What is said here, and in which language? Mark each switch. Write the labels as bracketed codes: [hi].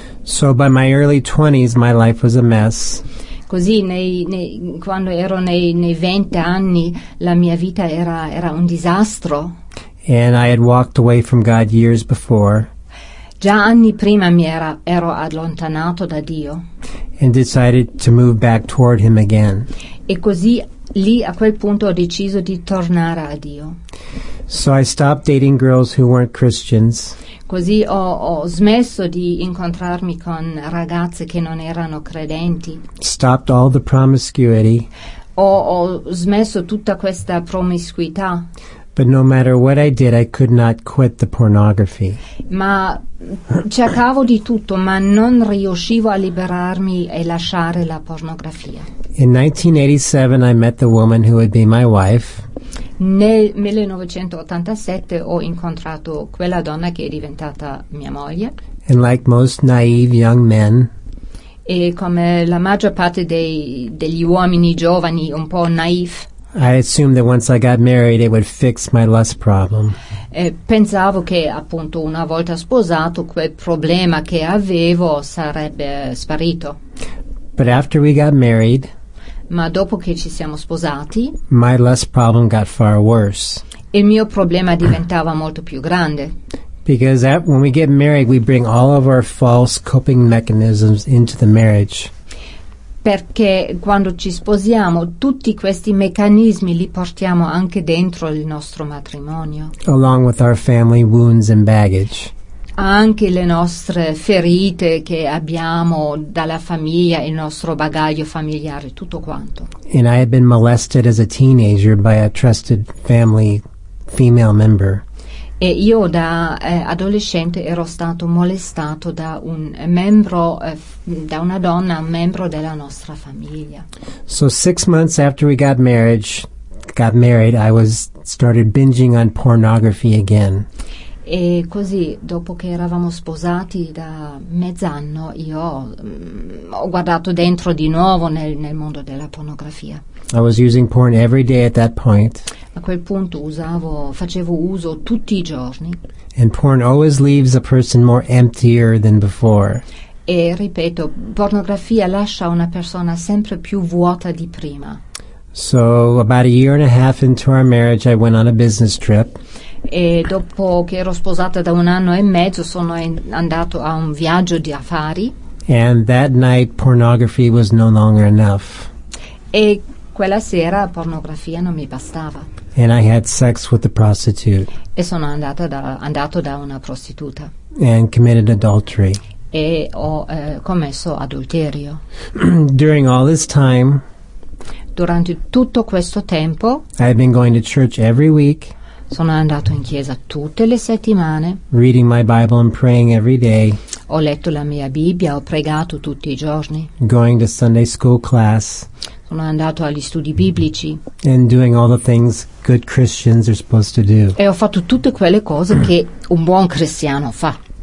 [en] So by my early 20s my life was a mess. [it] Così quando ero nei 20 anni la mia vita era un disastro. [en] And I had walked away from God years before. [it] Già anni prima ero allontanato da Dio. [en] And decided to move back toward Him again. [it] E così lì a quel punto ho deciso di tornare a Dio. [en] So I stopped dating girls who weren't Christians. [it] Così ho smesso di incontrarmi con ragazze che non erano credenti. [en] Stopped all the promiscuity. [it] Ho smesso tutta questa promiscuità. [en] But no matter what I did, I could not quit the pornography. [it] Ma cercavo di tutto, ma non riuscivo a liberarmi e lasciare la pornografia. [en] In 1987, I met the woman who would be my wife. [it] Nel 1987 ho incontrato quella donna che è diventata mia moglie. [en] And like most naive young men. [it] E come la maggior parte degli uomini giovani, un po' naive. [en] I assumed that once I got married it would fix my lust problem. [it] Pensavo che appunto una volta sposato quel problema che avevo sarebbe sparito. [en] But after we got married, [it] ma dopo che ci siamo sposati, [en] my lust problem got far worse. [it] Il mio problema diventava molto più grande. [en] Because when we get married, we bring all of our false coping mechanisms into the marriage. [it] Perché quando ci sposiamo, tutti questi meccanismi li portiamo anche dentro il nostro matrimonio. [en] Along with our family wounds and baggage. [it] Anche le nostre ferite che abbiamo dalla famiglia, il nostro bagaglio familiare, tutto quanto. [en] And I had been molested as a teenager by a trusted family female member. [it] E io da adolescente ero stato molestato da un membro, da una donna, un membro della nostra famiglia. [en] So 6 months after we got married, I was started binging on pornography again. [it] E così, dopo che eravamo sposati da mezz'anno, io ho guardato dentro di nuovo nel mondo della pornografia. [en] I was using porn every day at that point. [it] A quel punto facevo uso tutti i giorni. [en] And porn always leaves a person more emptier than before. [it] E ripeto, pornografia lascia una persona sempre più vuota di prima. [en] So about a year and a half into our marriage, I went on a business trip. [it] E dopo che ero sposata da un anno e mezzo, sono andato a un viaggio di affari. [en] And that night, pornography was no longer enough. [it] E quella sera pornografia non mi bastava. [en] And I had sex with the prostitute. [it] E sono andato da una prostituta. [en] And committed adultery. [it] E ho commesso adulterio. [en] During all this time, [it] durante tutto questo tempo, [en] I had been going to church every week. [it] Sono andato in chiesa tutte le settimane. [en] Reading my Bible and praying every day. [it] Ho letto la mia Bibbia, ho pregato tutti i giorni. [en] Going to Sunday school class. [it] Sono andato agli studi biblici. [en] And doing all the things good Christians are supposed to do. [it] E ho fatto tutte quelle cose che un buon cristiano fa.